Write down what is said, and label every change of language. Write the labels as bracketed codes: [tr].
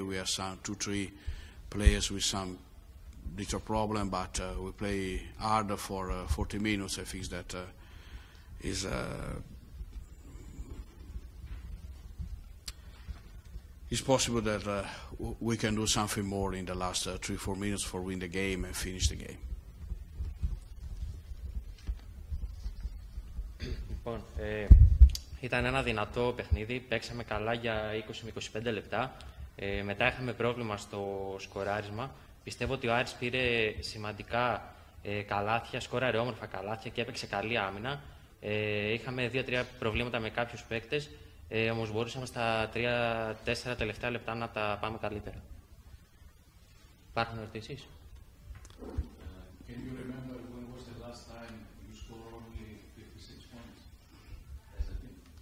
[en] We have some 2-3 players with some little problem, but we play hard for 40 minutes. I think that is it's possible that we can do something more in the last 3-4 minutes for win the game and finish the game. [el] Λοιπόν, ήταν ένα δυνατό παιχνίδι. Παίξαμε καλά για 20-25 λεπτά. Μετά είχαμε πρόβλημα στο σκοράρισμα. Πιστεύω ότι ο Άρης πήρε σημαντικά καλάθια, σκόραρε όμορφα καλάθια και έπαιξε καλή άμυνα. Είχαμε 2-3 προβλήματα με κάποιους παίκτες. Όμως μπορούσαμε στα 3-4 τελευταία λεπτά να τα πάμε καλύτερα. Υπάρχουν ερωτήσεις? [en] Can you remember when was the last time you scored only 56 points as a team?